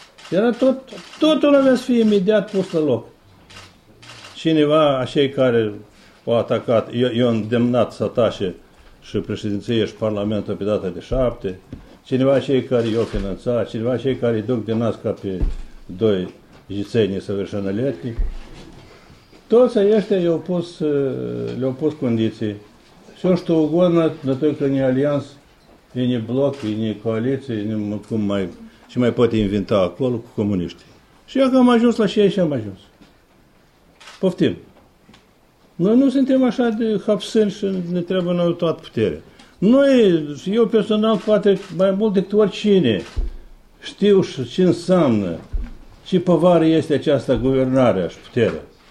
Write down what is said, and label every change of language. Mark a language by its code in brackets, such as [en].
[ro] Era tot, totul avea să fie imediat pus la loc. Cineva, așei care au atacat, eu îndemnat să atașe și președinție și parlamentul pe data de 7, cineva cei care i-au finanțat, cineva cei care îi duc de nas ca pe doi jițeni săvârșănăletni, toți aceștia le-au pus condiții. [ru] Все, что угодно, но только не альянс, и не блок, и не коалиция, и не [ro] cum mai, ce mai poate inventa acolo cu comuniștii. Și eu am ajuns la șeie și am ajuns. Poftim. Noi nu suntem așa de hapsâni și ne trebuie noi toată puterea. Noi, eu personal, poate mai mult decât oricine, știu și ce înseamnă, ce povară este această guvernare și puterea.